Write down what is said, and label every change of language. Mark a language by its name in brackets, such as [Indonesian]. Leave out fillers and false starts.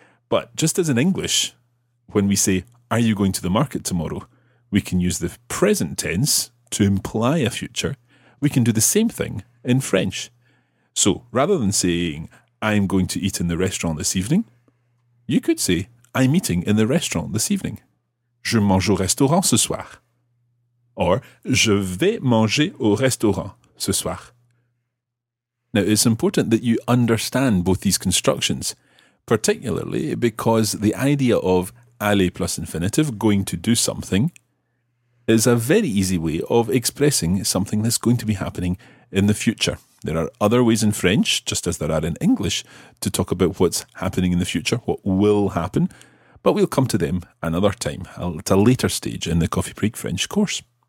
[English] But just as in English, when we say, are you going to the market tomorrow? We can use the present tense to imply a future. We can do the same thing in French. So rather than saying, I'm going to eat in the restaurant this evening, you could say, I'm eating in the restaurant this evening. [French] Je mange au restaurant ce soir. Or, je vais manger au restaurant ce soir. [English] Now, it's important that you understand both these constructions, particularly because the idea of aller plus infinitive, going to do something, is a very easy way of expressing something that's going to be happening in the future. There are other ways in French, just as there are in English, to talk about what's happening in the future, what will happen, but we'll come to them another time, at a later stage in the Coffee Break French course.